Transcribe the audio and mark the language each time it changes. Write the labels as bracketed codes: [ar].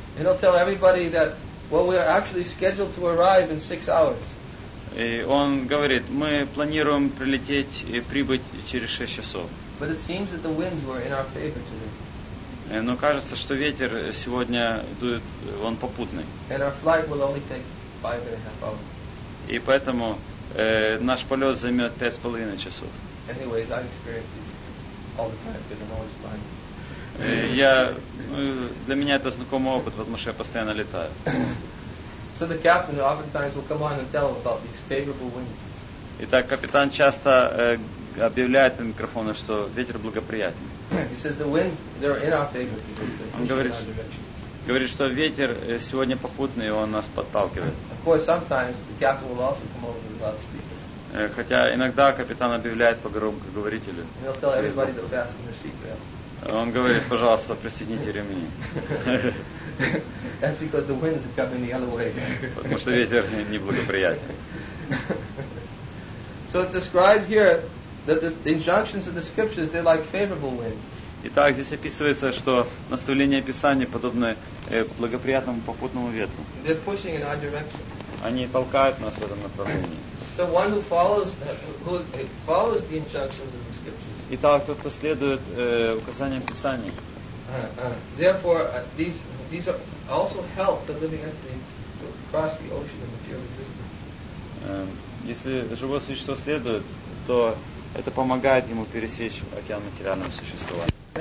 [en] And he'll tell everybody that, well, we are actually scheduled to arrive in 6 hours. [ru] И он говорит, мы планируем прилететь и прибыть через 6 часов. [en] But it seems that the winds were in our favor today. [ru] Но кажется, что ветер сегодня дует, он попутный. [en] And our flight will only take 5.5 hours. [ru] И поэтому наш полет займет 5.5 часов. [en] Anyways, I experience this all the time because I'm always flying. [ru] Для меня это знакомый опыт, потому что я постоянно летаю. [en] So the captain oftentimes will come on and tell about these favorable winds. [ru] Итак, капитан часто объявляет на микрофоне, что ветер благоприятный. [en] He says the winds, they're in our favor. [ru] Он говорит, что ветер сегодня попутный, и он нас подталкивает. [en] Of course, sometimes the captain will also come over with the loudspeaker. [ru] Хотя иногда капитан объявляет по громкоговорителю. [en] And he'll tell everybody to fasten their seatbelt. [ru] Он говорит, пожалуйста, пристегните ремни. [en] That's because the winds are coming the other way. [ru] Потому что ветер неблагоприятен. [en] So it's described here that the injunctions of the scriptures, they're like favorable winds. [ru] Итак, здесь описывается, что наставления Писания подобны благоприятному попутному ветру. [en] They're pushing in our direction. [ru] Они толкают нас в этом направлении. [en] So one who follows the injunctions of the scriptures. [ru] Итак, тот, кто следует указаниям Писания. [en] Therefore, these also help the living entity to cross the ocean of material existence. [ru] Если живое существо следует, то это помогает ему пересечь океан материального существования.